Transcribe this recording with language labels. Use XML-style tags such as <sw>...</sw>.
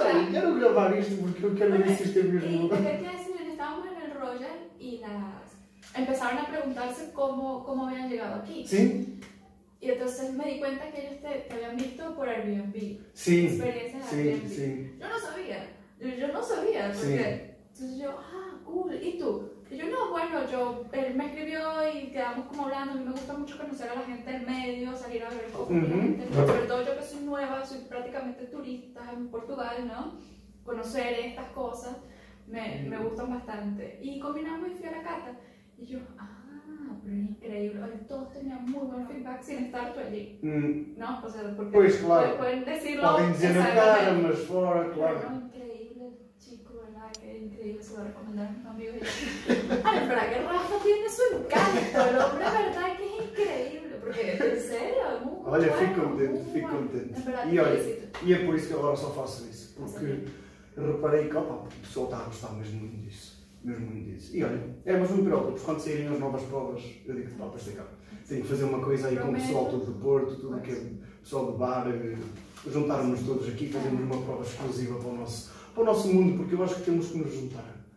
<pt>Quero gravar isto porque eu quero ver se isto é mesmo. E quer dizer, estávamos no Roger e na.</pt> <es>Empezaron a preguntarse cómo habían llegado aquí. Sí. Y entonces me di cuenta que ellos te habían visto por Airbnb. Sí. Experiencias sí, Airbnb. Sí. Yo no sabía. Yo no sabía. Porque, sí. Entonces yo, cool. ¿Y tú? Y yo, no, bueno, yo, él me escribió y quedamos como hablando. A mí me gusta mucho conocer a la gente del medio, salir a ver un poco la gente. Sobre todo yo que soy nueva, soy prácticamente turista en Portugal, ¿no? Conocer estas cosas me gustan bastante. Y combinamos y fui a la carta. Y yo, pero increíble, oye, todos tenían muy buen feedback sin estar tú allí. ¿No? O sea, porque pues, claro. Pueden decirlo. Pueden decirlo cara, más fuera, claro. No, increíble, chico, ¿verdad? Qué increíble, se lo recomendaron a un amigo. Ay, pero que Rafa tiene su encanto, el hombre, ¿verdad? Que es increíble.</es> <pt>Sério? Olha, fico contente, fico contente. E olha, e é por isso que agora só faço isso. Porque reparei que opa, o pessoal está a gostar mesmo muito disso. Mesmo muito disso. E olha, é, mas não me preocupes, quando saírem as novas provas, eu digo que para cá. Tenho que fazer uma coisa aí com o pessoal todo do Porto, tudo aquele pessoal do bar, juntarmos todos aqui, fazermos uma prova exclusiva para o nosso mundo, porque eu acho que temos que nos juntar.</pt>